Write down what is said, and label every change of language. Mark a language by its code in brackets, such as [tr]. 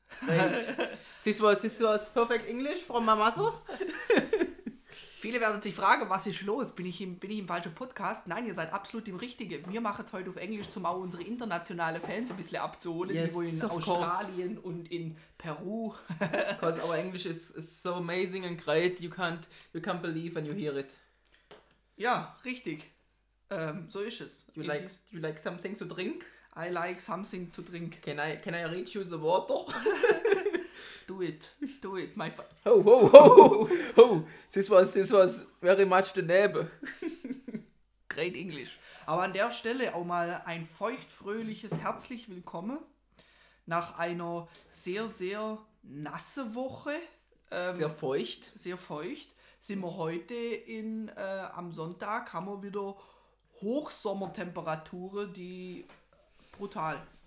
[en] this was perfect English from my mother. [de] Viele werden sich fragen, was ist los? Bin ich im falschen Podcast? Nein, ihr seid absolut im Richtigen. Wir machen es heute auf Englisch, um auch unsere internationalen Fans ein bisschen abzuholen, [en] yes, [de] die in Australien und in Peru. [en] Because our English is so amazing and great, you can't believe when you hear it. [de] Ja, richtig. So ist es. [en] You like something to drink? I like something to drink. Can I read you the water? Do it, my friend. Ho. This was very much the Nebe. Great English. [de] Aber an der Stelle auch mal ein feuchtfröhliches herzlich willkommen nach einer sehr, sehr nasse Woche. Sehr feucht. Sind wir heute am Sonntag, haben wir wieder Hochsommertemperaturen, die brutal.